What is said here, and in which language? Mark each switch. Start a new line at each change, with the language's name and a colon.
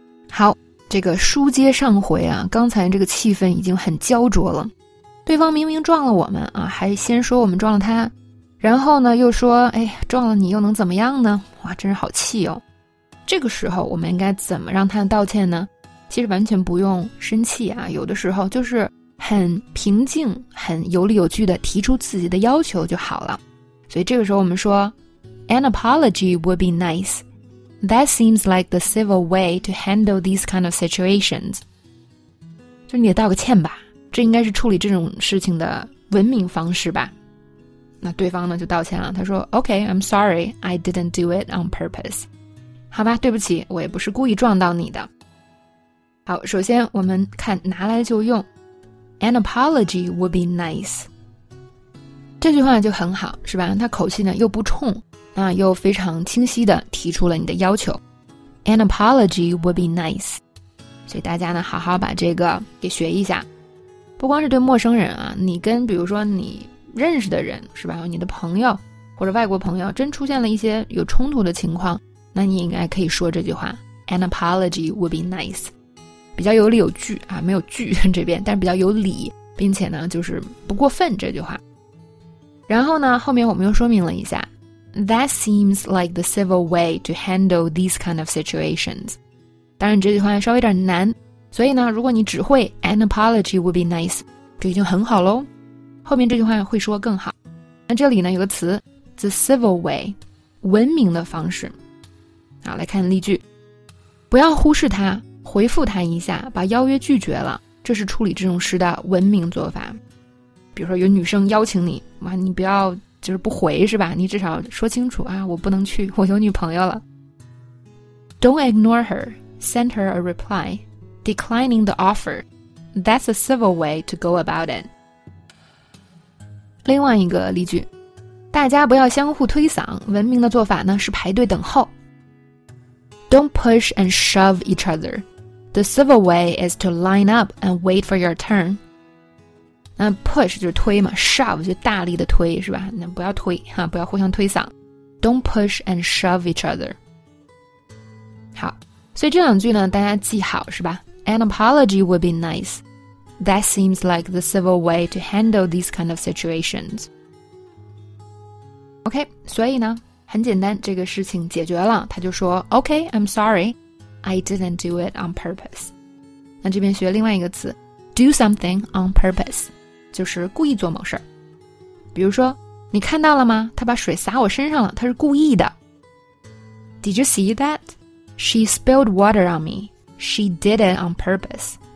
Chinese: 好，这个书接上回啊，刚才这个气氛已经很焦灼了，对方明明撞了我们啊，还先说我们撞了他，然后呢又说哎，撞了你又能怎么样呢，哇，真是好气哦。这个时候我们应该怎么让他道歉呢？其实完全不用生气啊，有的时候就是很平静很有理有据的提出自己的要求就好了。所以这个时候我们说
English: An apology would be nice. That seems like the civil way to handle these kind of situations.
Chinese: 就你得道个歉吧，这应该是处理这种事情的文明方式吧。那对方呢就道歉了，他说
English: OK, I'm sorry, I didn't do it on purpose.
Chinese: 好吧，对不起，我也不是故意撞到你的。好，首先我们看拿来就用。
English: An apology would be nice.
Chinese: 这句话就很好，是吧？他口气呢又不冲，那又非常清晰地提出了你的要求。
English: An apology would be nice.
Chinese: 所以大家呢好好把这个给学一下。不光是对陌生人啊，你跟比如说你认识的人，是吧？你的朋友或者外国朋友真出现了一些有冲突的情况，那你应该可以说这句话。
English: An apology would be nice.
Chinese: 比较有理有据啊，没有据这边，但是比较有理，并且呢就是不过分这句话。然后呢后面我们又说明了一下
English: That seems like the civil way to handle these kind of situations.
Chinese: 当然这句话稍微有点难，所以呢如果你只会
English: An apology would be nice
Chinese: 就已经很好咯，后面这句话会说更好。那这里呢有个词 The civil way， 文明的方式。好，来看例句。不要忽视它，回复他一下，把邀约拒绝了，这是处理这种事的文明做法。比如说有女生邀请你，你不要就是不回，是吧？你至少说清楚啊，我不能去，我有女朋友了。
English: Don't ignore her, send her a reply. Declining the offer, that's a civil way to go about it.
Chinese: 另外一个例句，大家不要相互推搡，文明的做法呢是排队等候。
English: Don't push and shove each other. The civil way is to line up and wait for your turn.
Chinese: 那 push 就是推嘛， shove 就大力的推，是吧？那不要推哈，不要互相推搡。
English: Don't push and shove each other.
Chinese: 好，所以这两句呢，大家记好，是吧？
English: An apology would be nice. That seems like the civil way to handle these kind of situations.
Chinese: OK, 所以呢很简单，这个事情解决了，他就说
English: OK, I'm sorry, I didn't do it on purpose.
Chinese: 那这边学另外一个词
English: Do something on purpose,
Chinese: 就是故意做某事。比如说你看到了吗，他把水洒我身上了，他是故意的。
English: Did you see that? She spilled water on me. She did it on purpose.